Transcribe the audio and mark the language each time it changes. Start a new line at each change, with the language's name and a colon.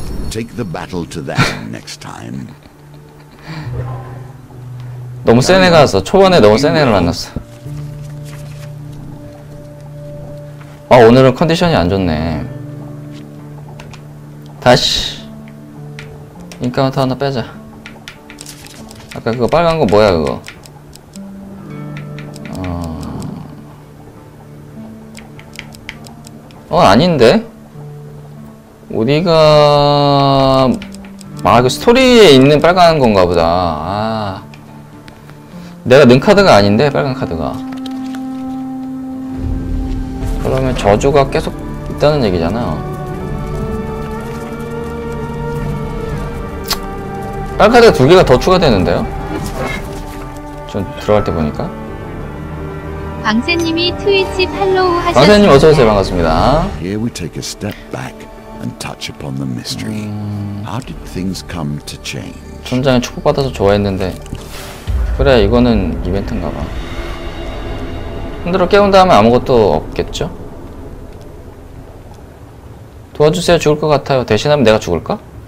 English: Take the battle to them next time.
Korean: 너무 센 애가 왔어. 초반에 너무 센 애를 만났어. 아, 오늘은 컨디션이 안 좋네. 다시. 인카운터 하나 빼자. 아까 그거 빨간 거 뭐야, 그거? 아닌데? 우리가, 아, 그 스토리에 있는 빨간 건가 보다. 아. 내가 넣은 카드가 아닌데, 빨간 카드가. 그러면 저주가 계속 있다는 얘기잖아. 빨간 카드가 두 개가 더 추가되는데요? 전 들어갈 때 보니까. 강세님이 트위치 팔로우 하셨습니다. 강세님 어서 오세요. 반갑습니다.
English: Here we take a step back and touch upon the mystery. How did things come to change?
Korean: 천장에 축복받아서 좋아했는데. 그래, 이거는 이벤트인가 봐. 흔들어 깨운 다음에 아무것도 없겠죠? 도와주세요. 죽을 것 같아요. 대신하면 내가 죽을까?